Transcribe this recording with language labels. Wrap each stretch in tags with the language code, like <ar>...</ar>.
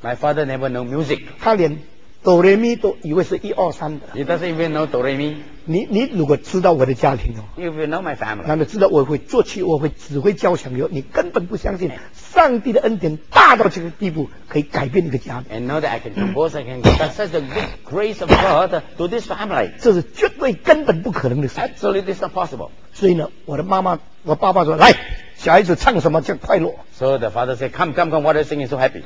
<en>My father never know music.</en> <zh>他连哆来咪都以为是一二三的。</zh> <en>He doesn't even know 哆来咪。</en> <zh>你如果知道我的家庭哦。</zh> <en>If you know my family.</en> <zh>那你知道我会作曲，我会指挥交响乐，你根本不相信。上帝的恩典大到这个地步，可以改变一个家。</zh> <en>And know that I can compose, I can give such a big grace of God to this family.</en> <zh>这是绝对根本不可能的事。</zh> <en>Absolutely, this is not possible.</en> <zh>所以呢，我的妈妈，我爸爸说，来，小孩子唱什么叫快乐</zh> <en>？So the father said, "Come, come, come! What are you singing? So happy!"</en>